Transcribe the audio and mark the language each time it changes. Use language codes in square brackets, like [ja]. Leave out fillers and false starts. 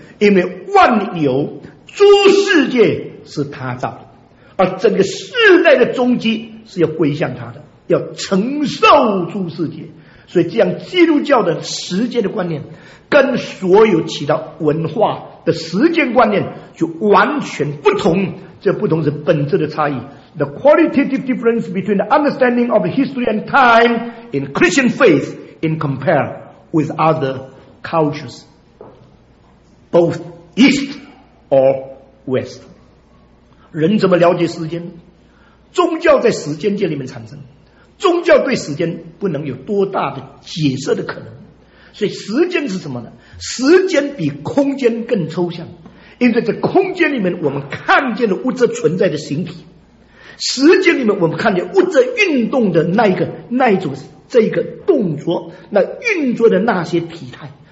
[zh] 因为万有诸世界是他造的，而整个世代的终极是要归向他的，要承受诸世界。所以这样基督教的时间的观念跟所有其他文化的时间观念就完全不同，这不同是本质的差异。 [en] The qualitative difference between the understanding of history and time in Christian faith in compare with other cultures, both East or West. [zh] 人怎么了解时间？宗教在时间界里面产生，宗教对时间不能有多大的解释的可能。所以时间是什么呢？时间比空间更抽象，因为在空间里面我们看见了物质存在的形体，时间里面我们看见物质运动的那一个那一种这一个动作，那运作的那些体态。